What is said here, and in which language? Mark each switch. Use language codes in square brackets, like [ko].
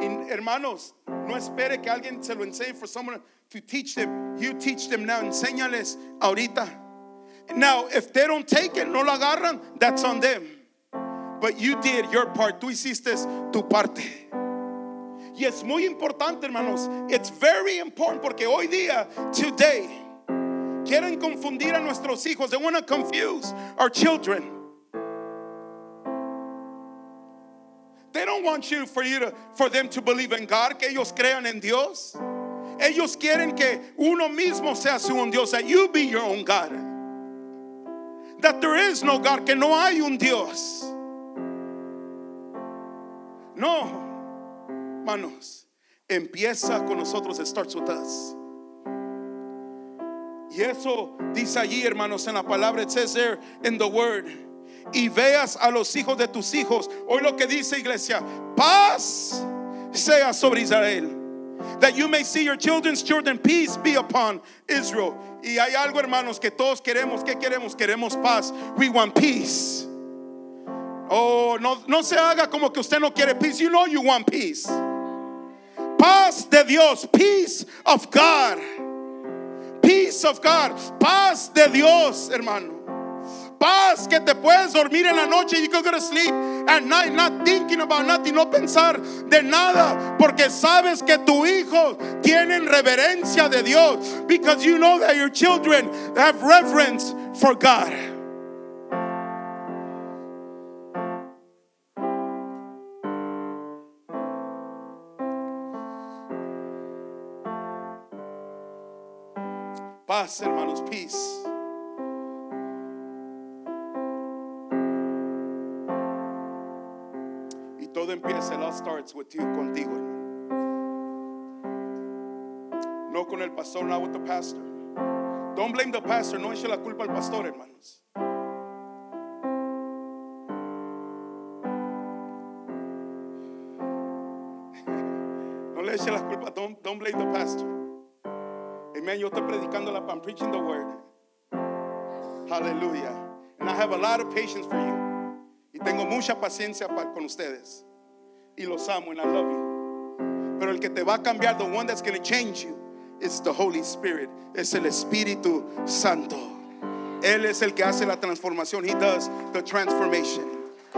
[es] Hermanos, no espere que alguien se lo enseñe, [en] for someone to teach them. You teach them now. [es] Enséñales ahorita. [en] Now, if they don't take it, [es] no lo agarran, [en] that's on them. But you did your part. [es] Tú hiciste tu parte. Y es muy importante, hermanos. [en] It's very important [es] porque hoy día, [en] today, [es] quieren confundir a nuestros hijos. [en] They want to confuse our children. They don't want you for them to believe in God, [es] que ellos crean en Dios. Ellos quieren que uno mismo sea su un Dios, [en] that you be your own God. That there is no God, [es] que no hay un Dios. No, manos, empieza con nosotros, [en] it starts with us. [es] Y eso dice allí, hermanos, en la palabra, [en] it says there in the word. [es] Y veas a los hijos de tus hijos. Hoy lo que dice iglesia, paz sea sobre Israel. [en] That you may see your children's children, peace be upon Israel. [es] Y hay algo, hermanos, que todos queremos. ¿Qué queremos? Queremos paz. [en] We want peace. [es] Oh, no se haga como que usted no quiere peace. [en] You know you want peace. [es] Paz de Dios, [en] peace of God. Peace of God, [es] paz de Dios, hermano. Paz que te puedes dormir en la noche. [en] You can go to sleep at night not thinking about nothing. [es] No pensar de nada, porque sabes que tu hijo tiene reverencia de Dios. [en] Because you know that your children have reverence for God. [es] Paz, hermanos, peace. Y todo empieza, [en] it all starts with you, [es] contigo, hermano. No con el pastor, [en] not with the pastor. [es] Don't blame the pastor, no eche la culpa al pastor, hermanos. No le eche la culpa, [en] don't blame the pastor. Amen, [es] yo estoy predicando, [en] I'm preaching the word. Hallelujah. And I have a lot of patience for you. [es] Y tengo mucha paciencia con ustedes. Y los amo, [en] and I love you. [es] Pero el que te va a cambiar, [en] the one that's going to change you, is the Holy Spirit. [es] Es el Espíritu Santo. Él es el que hace la transformación. [en] He does the transformation.